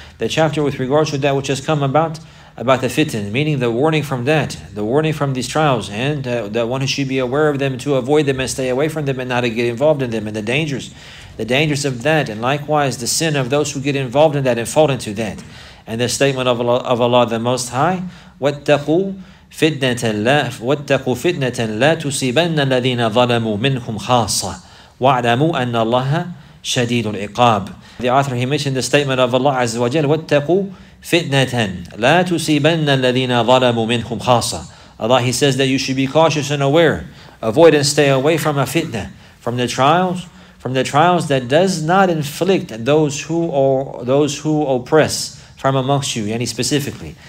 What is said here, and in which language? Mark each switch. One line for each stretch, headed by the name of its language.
English: The chapter with regards to that which has come about the fitan, meaning the warning from that, the warning from these trials, and that one should be aware of them to avoid them and stay away from them and not to get involved in them, and the dangers of that, and likewise the sin of those who get involved in that and fall into that. And the statement of Allah the Most High,
Arabic: وَاتَّقُوا فِتْنَةً لَا تُسِيبَنَّ الَّذِينَ ظَلَمُوا مِنْهُمْ خَاصَّةً وَعْلَمُوا أَنَّ اللَّهَ شَدِيدُ الْعِقَابِ.
English: The author, he mentioned the statement of Allah Azza wa Jal,
Arabic: وَاتَّقُوا فِتْنَةً لَا تُسِيبَنَّ الَّذِينَ ظَلَمُوا مِنْهُمْ خَاصَّةً.
English: Allah, he says that you should be cautious and aware. Avoid and stay away from a fitna, from the trials that does not inflict those who oppress from amongst you, yani specifically.